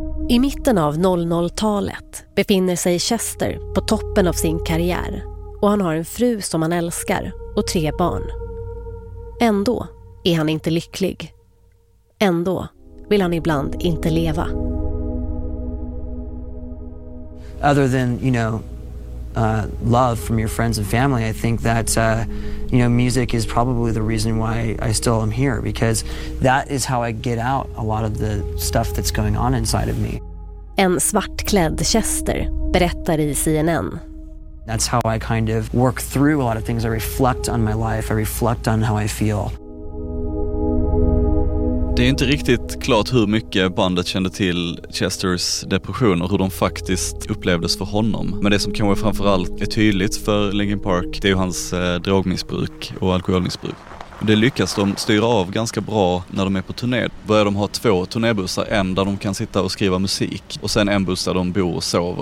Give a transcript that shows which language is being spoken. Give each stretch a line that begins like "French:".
Swedish: I mitten av 00-talet befinner sig Chester på toppen av sin karriär. Och han har en fru som han älskar och tre barn. Ändå är han inte lycklig. Ändå vill han ibland inte leva.
English: Other than, you know, love from your friends and family, I think that you know, music is probably the reason why I still am here, because that is how I get out a lot of the stuff that's going on inside of me.
Swedish: En svartklädd Chester berättar i CNN.
English: That's how I kind of work through a lot of things. I reflect on my life. I reflect on how I feel.
Swedish: Det är inte riktigt klart hur mycket bandet kände till Chesters depression och hur de faktiskt upplevdes för honom. Men det som kanske framförallt är tydligt för Linkin Park, det är ju hans drogmissbruk och alkoholmissbruk. Det lyckas de styra av ganska bra när de är på turné. Börjar de ha två turnébussar, en där de kan sitta och skriva musik och sen en buss där de bor och sover.